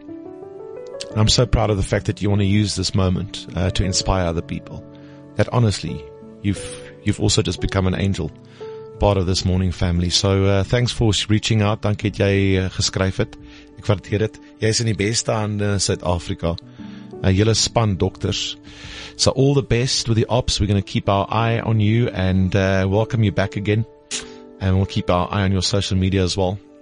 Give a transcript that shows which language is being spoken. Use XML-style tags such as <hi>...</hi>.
<en>And I'm so proud of the fact that you want to use this moment to inspire other people. That honestly, you've also just become an angel. Part of this morning family. So thanks for reaching out.</en> <af>Dankie dat jy geskryf het. Ek waardeer dit. Jy is in die beste hande in Suid-Afrika. Julle span dokters.</af> <en>So all the best with the ops. We're going to keep our eye on you and welcome you back again. And we'll keep our eye on your social media as well.</en>